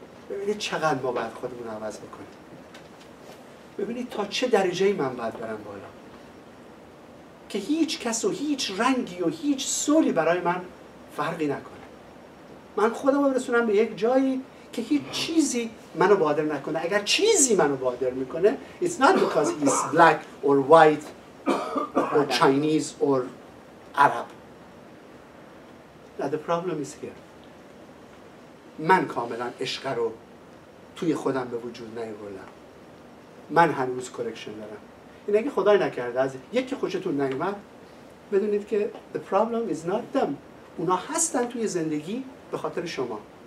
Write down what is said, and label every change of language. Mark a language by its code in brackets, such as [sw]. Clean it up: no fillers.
[fa] ببینید چقدر ما باید خودمون عوض بکنیم، ببینید تا چه درجه من باید برم بالا که هیچ کس و هیچ رنگی و هیچ سولی برای من فرقی نکنه. من خودمو برسونم به یک جایی که هیچ چیزی منو بادر نکنه. اگر چیزی منو بادر میکنه، [en] it's not because he's black or white or Chinese or Arab. The problem is here. [fa] من کاملا عشق رو توی خودم به وجود نیاوردم. من هنوز کلکشن دارم. این اگه خدای نکرده از یکی خوشتون نیومد، بدونید که [en] the problem is not them. [fa] اونا هستن توی زندگی به خاطر شما.